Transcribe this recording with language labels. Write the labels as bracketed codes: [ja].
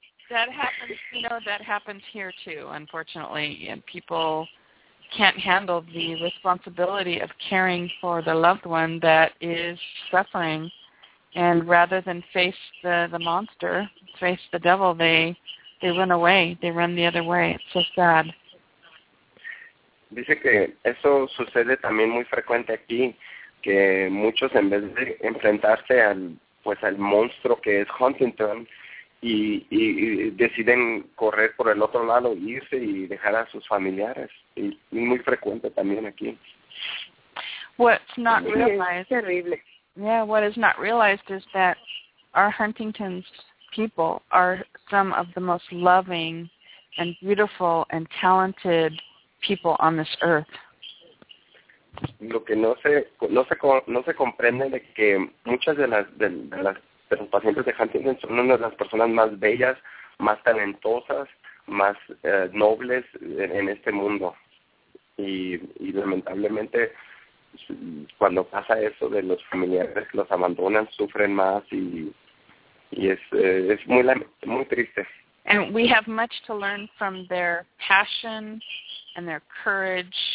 [en] That happens, that happens here too, unfortunately, and people can't handle the responsibility of caring for the loved one that is suffering, and rather than face the monster, face the devil, they run away, they run the other way. It's so sad. [es] Dice que eso sucede también muy frecuente aquí, que muchos en vez de enfrentarse al monstruo que es Huntington y deciden correr por el otro lado, irse y dejar a sus familiares. Y muy frecuente también aquí. [en] What's not realized, terrible. Yeah, what is not realized is that our Huntington's people are some of the most loving and beautiful and talented people on this earth. [es] Lo que no se comprende es que muchas de los pacientes de Huntington son una de las personas más bellas, más talentosas, más nobles en este mundo. Y lamentablemente, cuando pasa eso de los familiares, los abandonan, sufren más y es muy, muy triste. [en] And we have much to learn from their passion and their courage.